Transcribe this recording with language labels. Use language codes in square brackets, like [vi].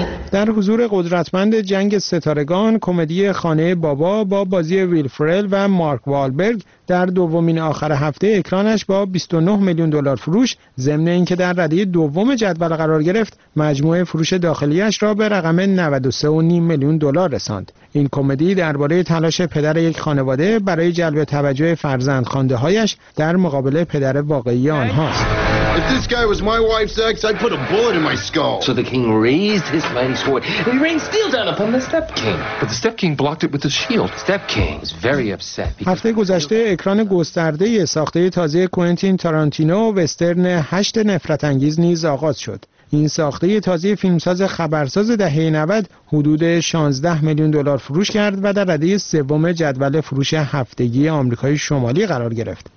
[fa] در حضور قدرتمند جنگ ستارگان، کمدی خانه بابا با بازی ویل فرل و مارک والبرگ در دومین آخر هفته اکرانش با 29 میلیون دلار فروش، ضمن اینکه در رده دوم جدول قرار گرفت، مجموع فروش داخلیش را به رقم 93.5 میلیون دلار رساند. این کمدی درباره تلاش پدر یک خانواده برای جلب توجه فرزند خوانده هایش در مقابل پدر واقعی آنهاست. [en] If this guy was my wife's ex, I'd put a bullet in my skull. So the king raised his mighty sword, and he rained steel down upon the step king. But the step king blocked it with his shield. Step king is very upset. [fa] هفته گذشته اکران گسترده ساخته تازه کوئنتین تارانتینو وسترن هشت نفرت انگیز نیز آغاز شد. این ساخته تازه فیلمساز خبرساز دهه 90 حدود 16 میلیون دلار فروش کرد و در رده سوم جدول فروش هفتگی آمریکای شمالی قرار گرفت.